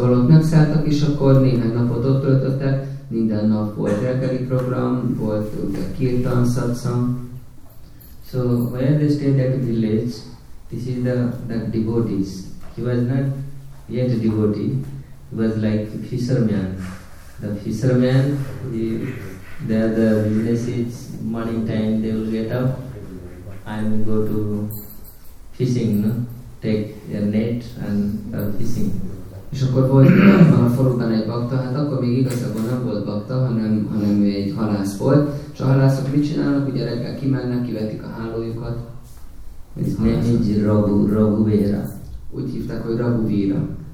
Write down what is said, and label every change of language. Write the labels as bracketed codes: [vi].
[hu] valahogy megszálltak, és akkor néhány napot ott töltöttek, minden nap volt reggeli program, volt the kirtan, satsang. [en] So where they stay, that village, this is the devotees. He was not yet a devotee. Was like fisherman. The fisherman, there the business is morning time, they will get up and go to fishing, no? Take a net and fishing. [hu] És akkor volt a faluban egy bakta, hát akkor még igazából nem volt bakta, hanem egy halász volt. És a halászok mit csinálnak? Ugye reggel kimennek, kivetik a hálójukat. Ez nem így Raghu Vera. Úgy hívták, hogy Raghu Vera.